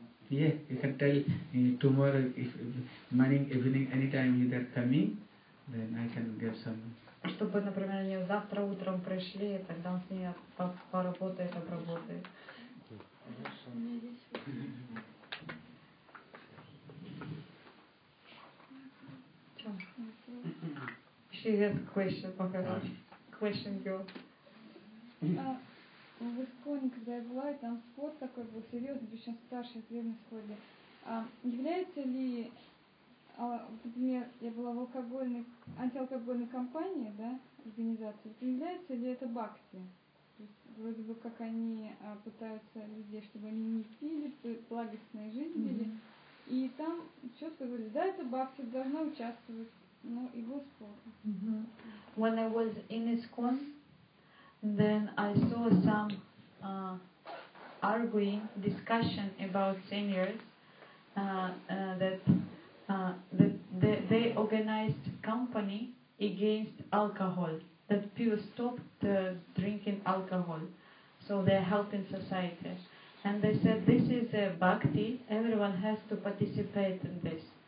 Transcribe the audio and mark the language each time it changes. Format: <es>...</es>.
<en>Yeah, you can tell tomorrow, if morning, evening, anytime you are coming, then I can give some.</en> <ru>Чтобы, например, они завтра утром пришли, и тогда он с ней поработает, обработает.</ru> <en>She has a question for her. Question girl.</en> <ru>В Исконе, когда я была, и там спор такой был серьезный, причем старший древний спор. Является ли, например, я была в алкогольной, антиалкогольной компании, да, организации, является ли это бхакти? То есть, вроде бы как они пытаются людей, чтобы они не пили, благостной жизнь вели. И там четко говорили, да, это бхакти, должна участвовать.</ru> <en>When I was in ISKCON, then I saw some arguing discussion about seniors that they organized company against alcohol, that people stopped drinking alcohol, so they're helping society, and they said this is a bhakti, everyone has to participate in this.</en>